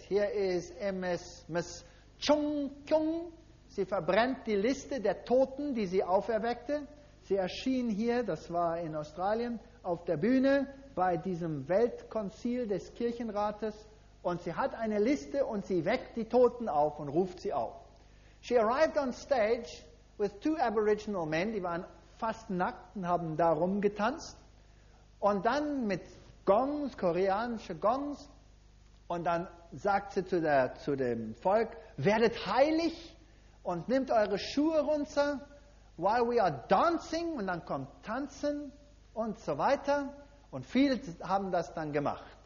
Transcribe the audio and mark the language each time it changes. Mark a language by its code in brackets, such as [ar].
[de] Hier ist Miss Chung Kyung. Sie verbrennt die Liste der Toten, die sie auferweckte. Sie erschien hier, das war in Australien, auf der Bühne bei diesem Weltkonzil des Kirchenrates. Und sie hat eine Liste und sie weckt die Toten auf und ruft sie auf. [en] She arrived on stage with two Aboriginal men. [de] Die waren fast nackt und haben da rumgetanzt. Und dann mit Gongs, koreanische Gongs, und dann sagt sie zu dem Volk, werdet heilig und nehmt eure Schuhe runter, [en] while we are dancing, [de] und dann kommt tanzen und so weiter, und viele haben das dann gemacht.